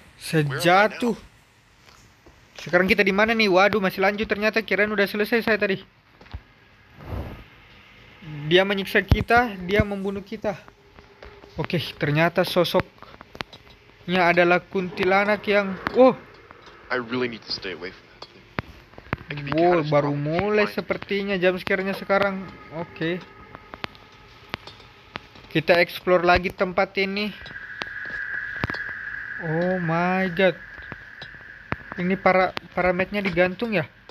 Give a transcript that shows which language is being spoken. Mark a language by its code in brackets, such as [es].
[id] Sejatuh. Sekarang kita di mana nih? Waduh, masih lanjut ternyata. Kirain udah selesai saya tadi. Dia menyiksa kita, dia membunuh kita. Oke, ternyata sosoknya adalah kuntilanak yang oh. [en] I really need to stay away from that thing. [id] Wow, baru mulai sepertinya jump scare-nya sekarang. Oke. Kita explore lagi tempat ini. [en] Oh my god. [id] Ini para mate-nya digantung ya?